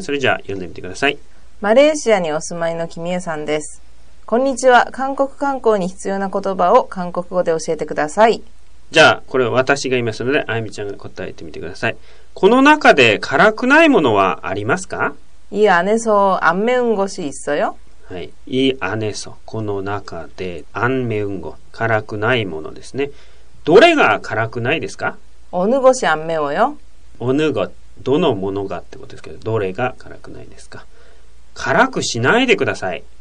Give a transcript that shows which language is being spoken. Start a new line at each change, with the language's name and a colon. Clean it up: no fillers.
Japanese: それじゃあ読んでみてください。マレーシアにお住まいのキミエさんです。こんにちは。韓国観光に必要な言葉を韓国語で教えてください。じゃあこれは私が言いますので、あゆみちゃんが答えてみてください。この中で辛くないものはありますか？
Korean: 이안에서안매운것이있어요？
Japanese: はい、
Korean: 이안에서、
Japanese: この中で、
Korean: 안매운것、
Japanese: 辛くないものですね。どれが辛くないですか？
Korean: 어느것이안매워요？ 어느것、
Japanese: どのものがってことですけど、どれが辛くないですか？辛くしないでください。